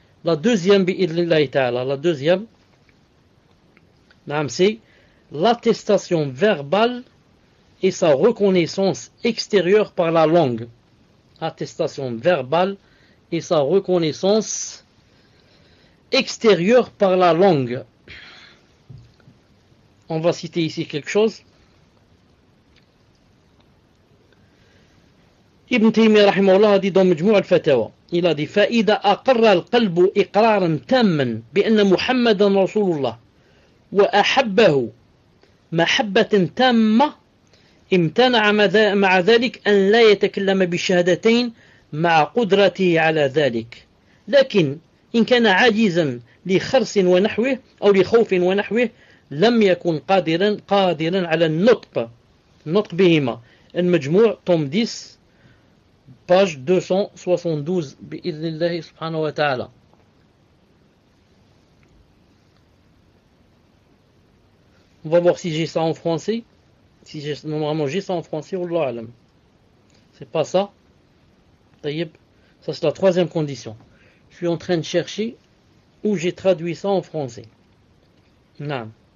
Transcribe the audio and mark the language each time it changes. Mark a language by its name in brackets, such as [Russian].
[French] La deuxième, bi'idhnillahi ta'ala, la deuxième, c'est l'attestation verbale et sa reconnaissance extérieure par la langue. Attestation verbale et sa reconnaissance extérieure par la langue. On va citer ici quelque chose. Ibn Taymiyyah rahimahullah a dit dans Majmou' al-Fatawa, il a dit, [Arabic] فإذا أقر القلب إقرارا تاما بأن محمدا رسول الله وأحبه محبة تامة امتنع مع ذلك أن لا يتكلم بالشهادتين مع قدرته على ذلك. لكن إن كان عاجزا لخرس ونحوه أو لخوف ونحوه لم يكن قادرا على النطق بهما. المجموع توم 10 page 272 بإذن الله سبحانه وتعالى. [French] On va voir si j'ai ça en français. Si j'ai normalement j'ai ça en français, Allah alam. C'est pas ça. Taïeb. Ça c'est la troisième condition. Je suis en train de chercher où j'ai traduit ça en français. Naam.